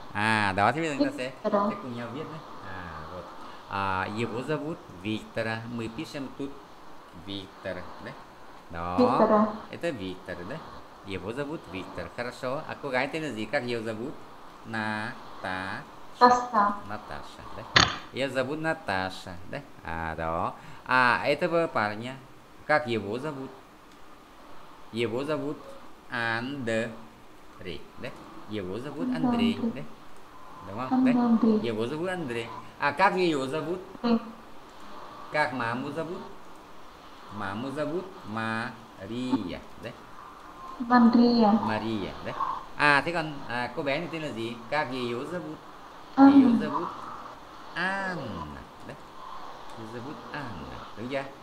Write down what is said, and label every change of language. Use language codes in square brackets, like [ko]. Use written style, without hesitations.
[vi] À, đó thì bây giờ chúng ta sẽ cùng nhau viết đấy. À, rồi. À, yêu bố Victor. [ru] Мы пишем тут Victor, đấy. [vi] Đó. [ru] Это Victor, đấy. Его зовут Victor. Хорошо. А [vi] cô gái tên là gì? [ru] Как её зовут? Наташа. Наташа, đấy. Её зовут Наташа, đấy. À, đó. А этого парня? Как его зовут? Его зовут Андрей, đấy. Его зовут Андрей, đấy. [vi] Đúng không? Đấy. [ru] Его зовут Андрей. А как её зовут? Как маму зовут? Маму зовут Мария, đấy. Мария. Мария, đấy. [vi] À, thế còn à, cô bé này tên là gì? [ru] Как её зовут? Её зовут Анна, đấy. Её зовут Анна, đúng chưa?